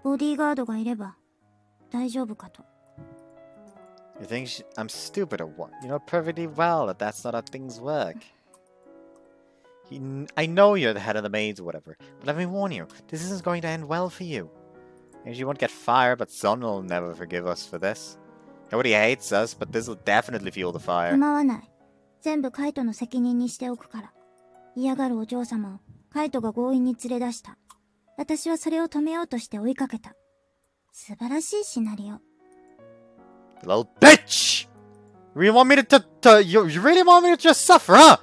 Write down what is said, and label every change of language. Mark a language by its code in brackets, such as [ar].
[ja] ボディーガードがいれば大丈夫かと. [en] You think I'm stupid or what? You know perfectly well that that's not how things work. I know you're the head of the maids or whatever, but let me warn you, this isn't going to end well for you. Maybe you won't get fired, but Sun will never forgive us for this. Nobody hates us, but this will definitely fuel the fire. [ja] かまわない。全部カイトの責任にしておくから。嫌がるお嬢様をカイトが強引に連れ出した。私はそれを止めようとして追いかけた。素晴らしいシナリオ。 [en] Little bitch! You really want me to just suffer, huh?